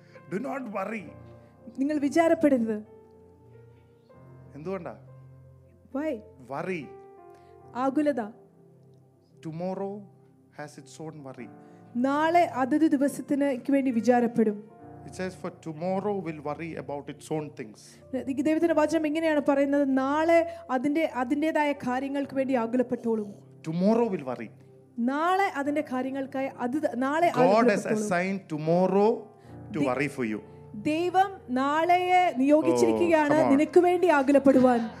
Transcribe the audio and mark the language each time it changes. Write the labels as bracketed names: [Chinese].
[English] Do not worry. [Malayalam] നിങ്ങൾ വിചാരപ്പെടരുത്. എന്തുകൊണ്ടാ? [English] Why? Worry. [Malayalam] ആകുലത. [English] Tomorrow has its own worry. [Malayalam] നാളെ അതത് ദിവസത്തിനേക്ക് വേണ്ടി വിചാരപ്പെടും. [English] It says for tomorrow will worry about its own things. [Malayalam] ദൈവത്തിന്റെ വചനം എങ്ങനെയാണ് പറയുന്നത്? നാളെ അതിന്റേതായ കാര്യങ്ങൾക്ക് വേണ്ടി ആകുലപ്പെട്ടോളും. [English] Tomorrow will worry. [Malayalam] നാളെ അതിന്റെ കാര്യങ്ങൾക്കായി അത് നാളെ ആകുലപ്പെട്ടോളും. [English] God has assigned tomorrow to worry for you. [Malayalam] ദൈവം നാളെയെ നിയോഗിച്ചിരിക്കുകയാണ് നിനക്ക് വേണ്ടി ആകുലപ്പെടുവാൻ.